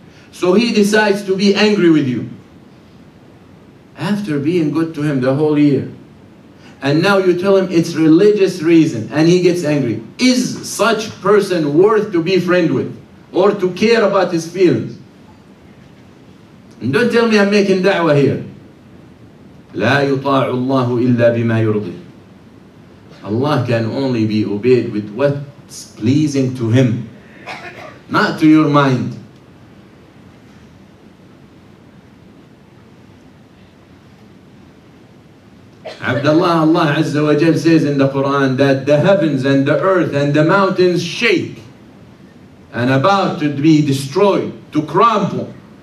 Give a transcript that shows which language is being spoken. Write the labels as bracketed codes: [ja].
[en] So he decides to be angry with you. After being good to him the whole year. And now you tell him it's religious reason and he gets angry. Is such person worth to be friend with or to care about his feelings? And don't tell me I'm making da'wah here. [ar] لا يطاع الله إلا بما يرضي. [en] Allah can only be obeyed with what's pleasing to him, not to your mind. Abdullah, Allah Azza wa Jal says in the Quran that the heavens and the earth and the mountains shake and about to be destroyed, to crumble.